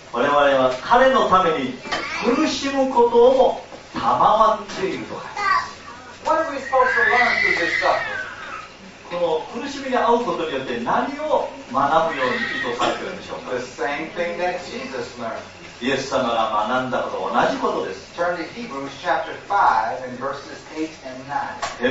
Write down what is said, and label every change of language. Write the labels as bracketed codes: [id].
[ja] 我々は彼のために苦しむことをたまわっているとか。 [en] What are we supposed to learn through this suffering? [ja] この苦しみに遭うことによって何を学ぶように意図されているんでしょうか。 [en] The same thing that Jesus learned. [ja] イエス様が学んだこと同じことです。 [en] Turn to Hebrews chapter 5 and verses 8 and 9.